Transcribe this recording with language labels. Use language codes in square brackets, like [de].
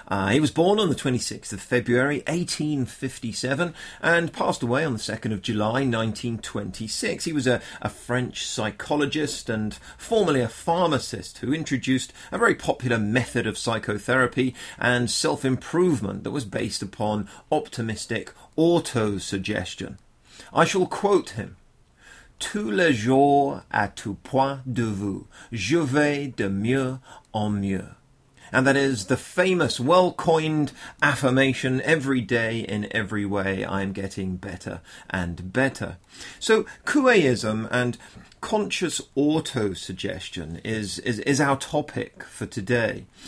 [en] He was born on the 26th of February 1857 and passed away on the 2nd of July 1926. He was a French psychologist and formerly a pharmacist who introduced a very popular method of psychotherapy and self-improvement that was based upon optimistic auto-suggestion. I shall quote him. [fr] Tous les jours à tout point de vue, je vais de mieux en mieux. [en] And that is the famous, well-coined affirmation, every day, in every way, I am getting better and better. So Coué-ism and conscious auto-suggestion is our topic for today.